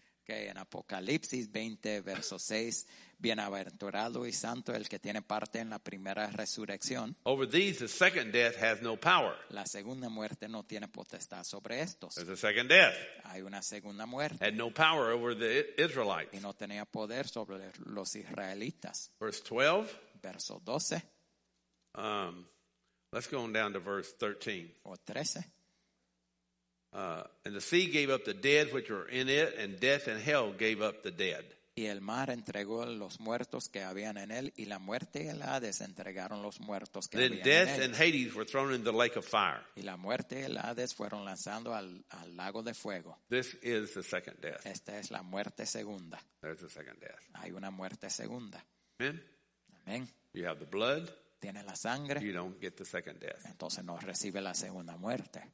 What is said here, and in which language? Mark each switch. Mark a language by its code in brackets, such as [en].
[es] Okay, en Apocalipsis 20, verso 6, bienaventurado y santo el que tiene parte en la primera resurrección. [en] Over these, the second death has no power. [es] La segunda muerte no tiene potestad sobre estos. [en] There's a second death. [es] Hay una segunda muerte. [en] Had no power over the Israelites. [es] Y no tenía poder sobre los israelitas. [en] Verse 12. [es] Verso 12. [en] Let's go on down to verse 13. [es] O 13. [en] And the sea gave up the dead which were in it, and death and hell gave up the dead. [es] Y el mar entregó los muertos que habían en él, y la muerte y el Hades entregaron los muertos que [en] then [es] habían [en] death [es] en él. [en] And Hades were thrown into the lake of fire. [es] Y la muerte y el Hades fueron lanzando al lago de fuego. [en] This is the second death. [es] Esta es la muerte segunda. [en] There's the second death. [es] Hay una muerte segunda. [en] Amen. [es] Amen. [en] You have the blood. [es] Tiene la sangre. [en] You don't get the second death. [es] Entonces no recibe la segunda muerte.